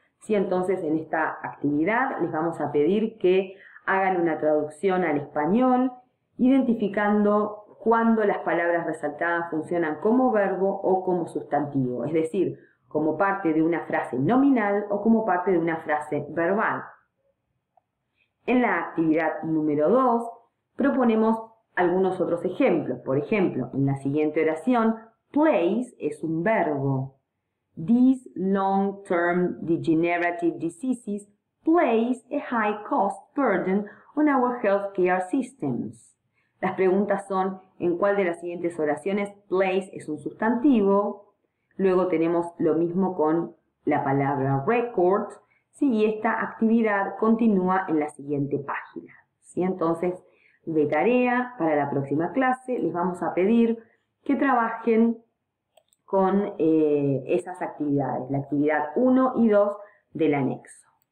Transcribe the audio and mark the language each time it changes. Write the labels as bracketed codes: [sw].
[es] Sí, entonces, en esta actividad les vamos a pedir que hagan una traducción al español identificando cuándo las palabras resaltadas funcionan como verbo o como sustantivo, es decir, como parte de una frase nominal o como parte de una frase verbal. En la actividad número 2, Proponemos algunos otros ejemplos. Por ejemplo, en la siguiente oración, place es un verbo. [en] These long-term degenerative diseases place a high cost burden on our healthcare systems. [es] Las preguntas son, ¿en cuál de las siguientes oraciones place es un sustantivo? Luego tenemos lo mismo con la palabra record. Sí, y esta actividad continúa en la siguiente página. ¿Sí? Entonces, de tarea para la próxima clase, les vamos a pedir que trabajen con esas actividades, la actividad 1 y 2 del anexo.